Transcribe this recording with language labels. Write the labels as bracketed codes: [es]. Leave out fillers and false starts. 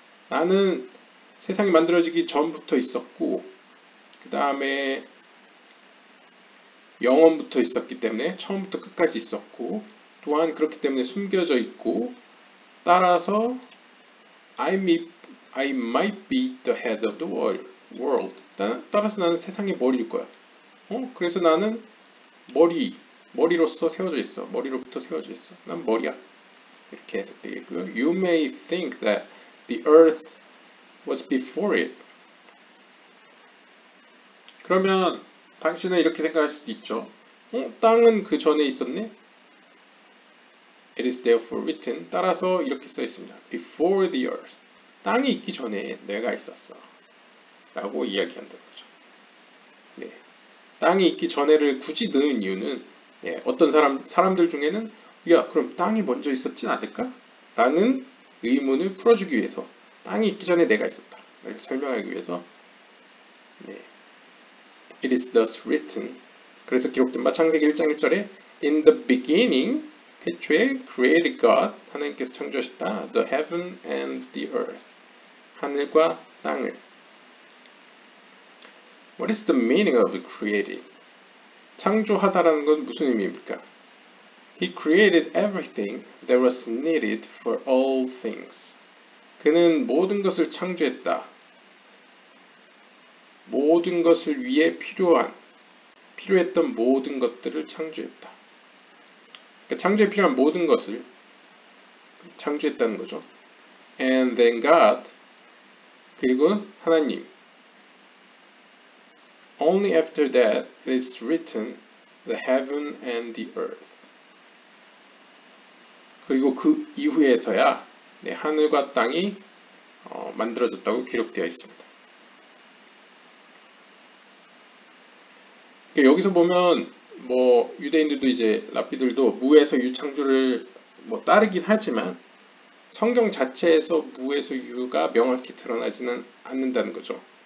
[ko] 나는 세상이 만들어지기 전부터 있었고 그 다음에 영원부터 있었기 때문에 처음부터 끝까지 있었고 또한 그렇기 때문에 숨겨져 있고 따라서 [en] I might be the head of the world. [ko] 따라서 나는 세상의 머리일 거야. 그래서 나는 머리로서 세워져 있어. 머리로부터 세워져 있어. 난 머리야. 이렇게 해석되겠고요. [en] You may think that the earth was before it. [ko] 그러면 당신은 이렇게 생각할 수도 있죠. 땅은 그 전에 있었네? [en] It is therefore written. [ko] 따라서 이렇게 써 있습니다. [en] Before the earth. [ko] 땅이 있기 전에 내가 있었어. 라고 이야기한다는 거죠. 네. 땅이 있기 전에를 굳이 넣은 이유는 네. 어떤 사람들 중에는 야, 그럼 땅이 먼저 있었진 않을까? 라는 의문을 풀어주기 위해서 땅이 있기 전에 내가 있었다. 이렇게 설명하기 위해서 네. [en] It is thus written. [ko] 그래서 기록된 바 창세기 1장 1절에 [en] In the beginning, [ko] 태초에 [en] created God, [ko] 하나님께서 창조하셨다. [en] The heaven and the earth. [ko] 하늘과 땅을. [en] What is the meaning of created? [ko] 창조하다라는 건 무슨 의미입니까? [en] He created everything that was needed for all things. [ko] 그는 모든 것을 창조했다. 모든 것을 위해 필요했던 모든 것들을 창조했다. 그러니까 창조에 필요한 모든 것을 창조했다는 거죠. [en] And then God, [ko] 그리고 하나님. [en] Only after that it is written the heaven and the earth. [ko] 그리고 그 이후에서야 네, 하늘과 땅이 만들어졌다고 기록되어 있습니다. 여기서 보면 뭐 유대인들도 이제 랍비들도 무에서 유 창조를 뭐 따르긴 하지만 성경 자체에서 무에서 유가 명확히 드러나지는 않는다는 거죠.